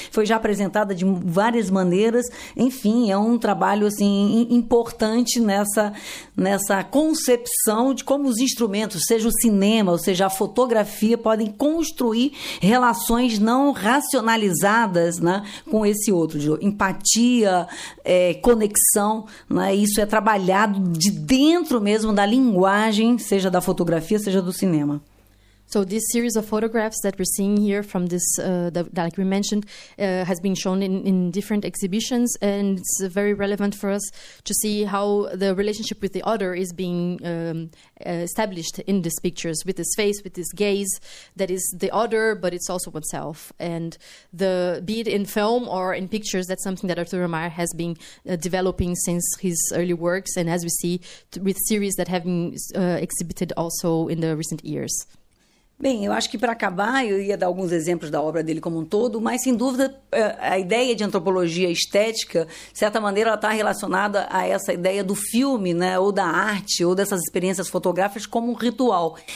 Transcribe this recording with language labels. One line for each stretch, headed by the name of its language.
Portuguese: Foi já apresentada de várias maneiras. Enfim, é um trabalho assim, importante nessa concepção de como os instrumentos, seja o cinema ou seja a fotografia, podem construir relações não racionalizadas, né? Com esse outro. Empatia, conexão, né? Isso é trabalhado de dentro mesmo da linguagem, seja da fotografia, seja do cinema.
English: So this series of photographs that we're seeing here from this, that like we mentioned, has been shown in different exhibitions, and it's very relevant for us to see how the relationship with the other is being established in these pictures, with this face, with this gaze that is the other, but it's also oneself. And the be it in film or in pictures, that's something that Arthur Omar has been developing since his early works, and as we see with series that have been exhibited also in the recent years.
Portuguese: Bem, eu acho que para acabar, eu ia dar alguns exemplos da obra dele como um todo, mas sem dúvida a ideia de antropologia estética, de certa maneira, ela está relacionada a essa ideia do filme, né, ou da arte, ou dessas experiências fotográficas como um ritual.